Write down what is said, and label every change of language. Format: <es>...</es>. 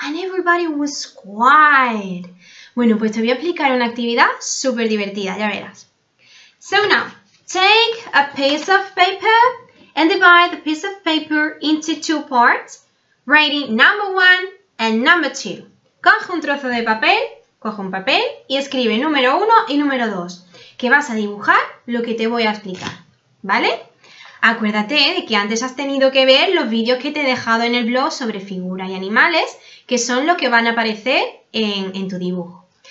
<en>And everybody was quiet.</en> <es>Bueno, pues te voy a explicar una actividad súper divertida, ya verás.</es> <en>So now. Take a piece of paper and divide the piece of paper into two parts, writing number one and number two.</en> <es>Coge un trozo de papel, coge un papel y escribe número uno y número dos, que vas a dibujar lo que te voy a explicar, ¿vale? Acuérdate de que antes has tenido que ver los vídeos que te he dejado en el blog sobre figuras y animales, que son los que van a aparecer en tu dibujo.</es>